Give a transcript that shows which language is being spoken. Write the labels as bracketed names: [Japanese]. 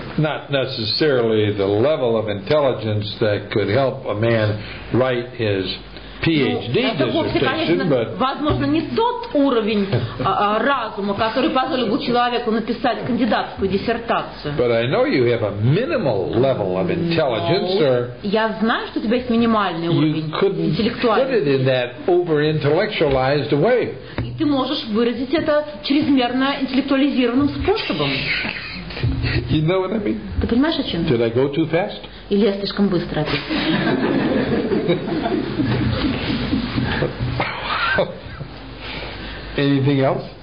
[English] Not necessarily the level of intelligence that could help a man write his PhD dissertation, but [Russian] возможно не тот уровень разума, который позволил бы человеку написать кандидатскую диссертацию. [English] But I know you have a minimal level of intelligence, or [Russian] я знаю, что у тебя есть минимальный уровень интеллектуальности. [English] You couldn't put it in that over-intellectualized way. [Russian] И ты можешь выразить это чрезмерно интеллектуализированным способом. [English] You know what I mean? [Russian] Ты понимаешь, о чем? [English] Did I go too fast? [Russian] Или я слишком быстро? [English] Ha ha ha. Anything else?